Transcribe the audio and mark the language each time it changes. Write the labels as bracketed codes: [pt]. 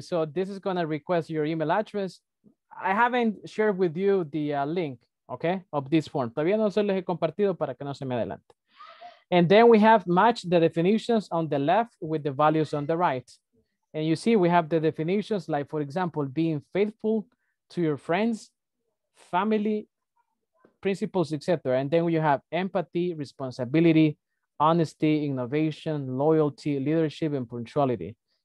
[en] So this is going to request your email address. I haven't shared with you the link, okay, of this form. [es] Todavía no se les he compartido para que no se me adelante. [en] And then we have match the definitions on the left with the values on the right. And you see, we have the definitions, like, for example, being faithful to your friends, family, principles, etc. And then you have empathy, responsibility, honesty, innovation, loyalty, leadership, and punctuality.